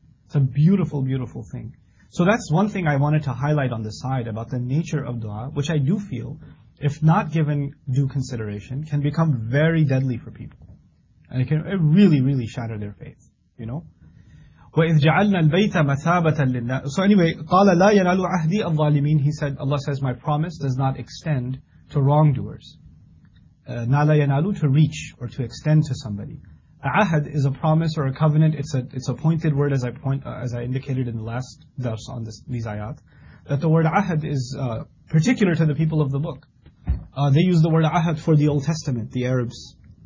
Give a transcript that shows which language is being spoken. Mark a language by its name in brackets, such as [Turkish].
[English] It's a beautiful, beautiful thing. So that's one thing I wanted to highlight on the side about the nature of dua, which I do feel, if not given due consideration, can become very deadly for people. And it really, really shatter their faith. You know? [Arabic] وَإِذْ جَعَلْنَا الْبَيْتَ مَثَابَةً لِلنَّاسِ. [English] So anyway, [Arabic] قَالَ لَا يَنَالُ عَهْدِي الظَّالِمِينَ. [English] He said, Allah says, my promise does not extend to wrongdoers. [Arabic] نَالَ يَنَالُ, [English] to reach or to extend to somebody. عَهَد is a promise or a covenant. It's a pointed word, as I indicated in the last dars on these ayat. That the word عَهَد is particular to the people of the book. They use the word عَهَد for the Old Testament, the Arabs.